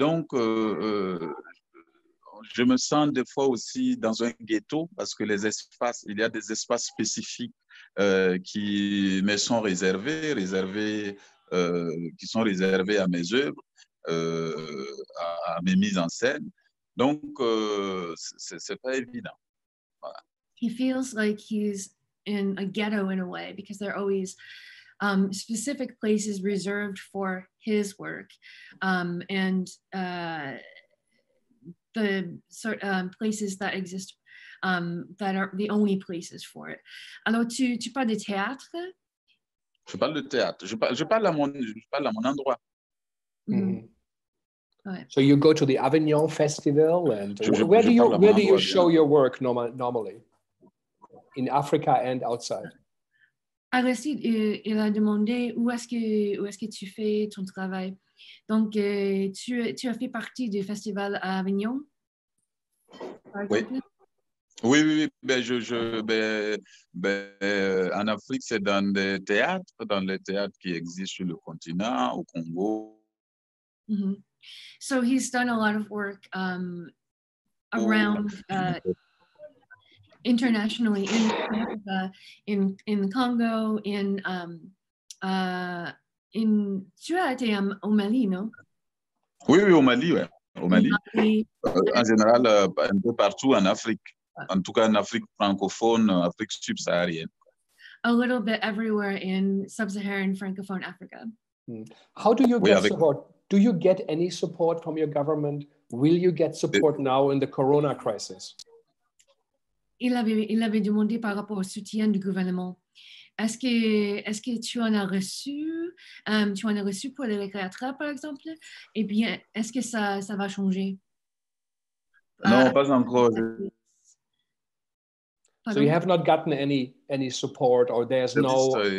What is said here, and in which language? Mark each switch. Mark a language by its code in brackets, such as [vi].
[fr] Je me sens des fois aussi dans un ghetto, parce que les espaces, il y a des espaces spécifiques qui me sont réservés à mes œuvres, à mes mises en scène. Donc, c'est pas évident. Voilà. [en] He feels like he's in a ghetto in a way, because there are always specific places reserved for his work, the sort places that exist that are the only places for it. [fr] Alors, tu parles de théâtre? Je parle de théâtre. Je parle à mon endroit. Mm. [en] Ouais. So you go to the Avignon Festival, and where do you show your work normally? In Africa and outside. [fr] Aristide, il a demandé où est-ce que tu fais ton travail. Donc tu as fait partie du festival à Avignon. Oui. Ben, en Afrique, c'est dans les théâtres qui existent sur le continent, au Congo. [en] Mm-hmm. So he's done a lot of work around internationally in Africa, in the Congo, in [fr] tu as été au Mali, non? Oui, au Mali, ouais. Au Mali, en général, un peu partout en Afrique, en tout cas en Afrique francophone, Afrique subsaharienne. [en] A little bit everywhere in sub-Saharan francophone Africa. How do you get support? Do you get any support from your government? Will you get support now in the corona crisis? [fr] Il avait demandé par rapport au soutien du gouvernement. Est-ce que tu en as reçu? Tu en as reçu pour les récréateurs, par exemple? Eh bien, est-ce que ça va changer? Non, pas encore. [en] So you have not gotten any support, or there's no...